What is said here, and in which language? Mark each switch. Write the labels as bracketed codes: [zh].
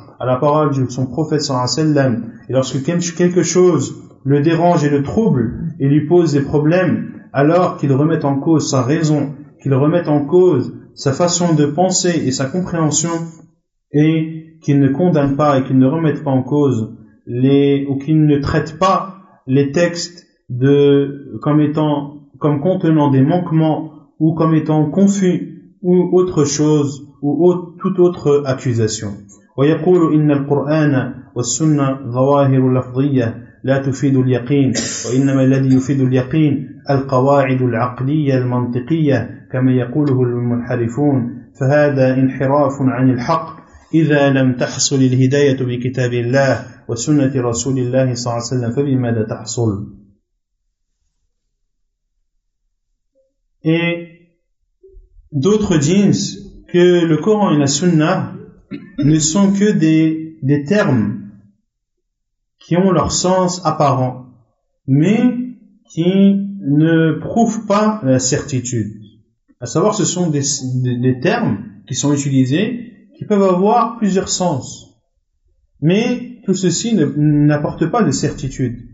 [fr] à la parole de son prophète sallallahu alayhi wa sallam, et lorsque quelque chose le dérange et le trouble et lui pose des problèmes, alors qu'il remette en cause sa raison, qu'il remette en cause sa façon de penser et sa compréhension, et qu'il ne condamne pas et qu'il ne remette pas en cause ou qu'il ne traite pas les textes comme contenant des manquements ou comme étant confus ou autre chose ou toute autre accusation. [ar] ويقول إن القرآن والسنة ظواهر لفظية لا تفيد اليقين وإنما الذي يفيد اليقين القواعد العقلية المنطقية كما يقوله المنحرفون فهذا انحراف عن الحق إذا لم تحصل الهداية بكتاب الله وسنة رسول الله صلى الله عليه وسلم فبماذا تحصل؟ [fr] Et d'autres disent que le Coran et la Sunna ne sont que des termes qui ont leur sens apparent, mais qui ne prouvent pas la certitude. À savoir, ce sont des termes qui sont utilisés, qui peuvent avoir plusieurs sens, mais tout ceci n'apporte pas de certitude.